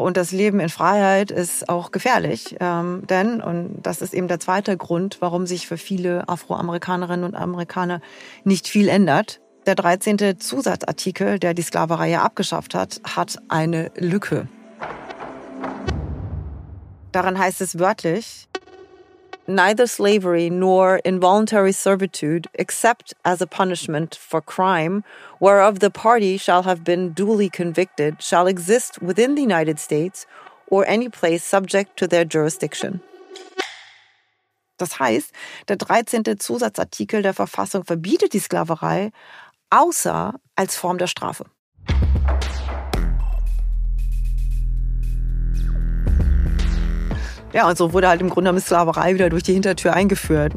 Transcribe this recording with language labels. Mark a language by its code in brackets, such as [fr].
[de] Und das Leben in Freiheit ist auch gefährlich. Denn, und das ist eben der zweite Grund, warum sich für viele Afroamerikanerinnen und Amerikaner nicht viel ändert. Der 13. Zusatzartikel, der die Sklaverei abgeschafft hat, hat eine Lücke. Daran heißt es wörtlich: [en] Neither slavery nor involuntary servitude, except as a punishment for crime, whereof the party shall have been duly convicted, shall exist within the United States or any place subject to their jurisdiction. [de] Das heißt, der 13. Zusatzartikel der Verfassung verbietet die Sklaverei, außer als Form der Strafe. Ja, und so wurde halt im Grunde genommen Sklaverei wieder durch die Hintertür eingeführt.